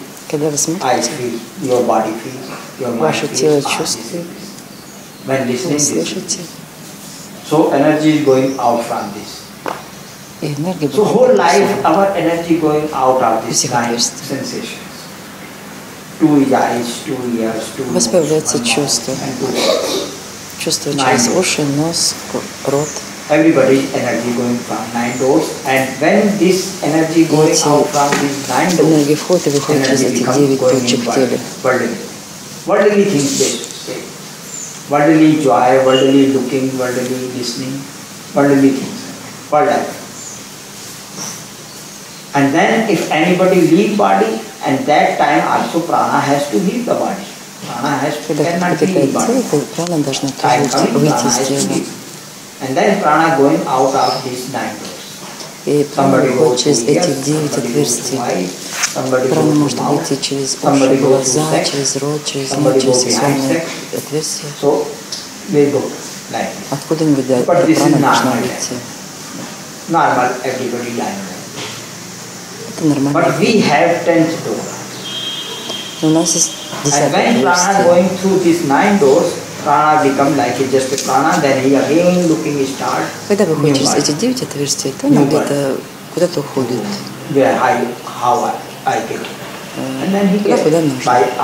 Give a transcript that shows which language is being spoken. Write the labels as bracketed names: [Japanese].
[Russian] Когда вы смотрите, ваше тело чувствует, вы слышите. [English] So energy is going out from this. [Russian] И энергия будет. [English] So whole life, our energy going out of this kind of sensations. [Russian] У вас появляется чувство. Чувство через уши, нос, рот. [English] Everybody energy going from nine doors, and when this energy going out from these nine doors, [Russian] energy входит и выходит из этих девяти точек в теле. [English] Worldly things they say, worldly joy, worldly looking, worldly listening, worldly things, worldly. And then if anybody leave body, and that time also prana has to leave the body. Prana has to [Russian] Когда прана должна выйти из тела. [English] And then prana going out of these nine doors. [Russian] И прана выходит через этих девять отверстий. Прана может выйти через уши, глаза, через рот, через нос, через сексуальные отверстия. [English] So, they go like this. [Russian] Откуда не выйдет прана должна выйти? [English] But this is normal life. Normal everybody life. [Russian] Это нормально. [English] But we have tenth door. [Russian] У нас есть десятые отверстия. [English] And when prana going through these nine doors, [Russian] когда выходит через эти девять отверстий, то он где-то куда-то уходит. Куда нужно.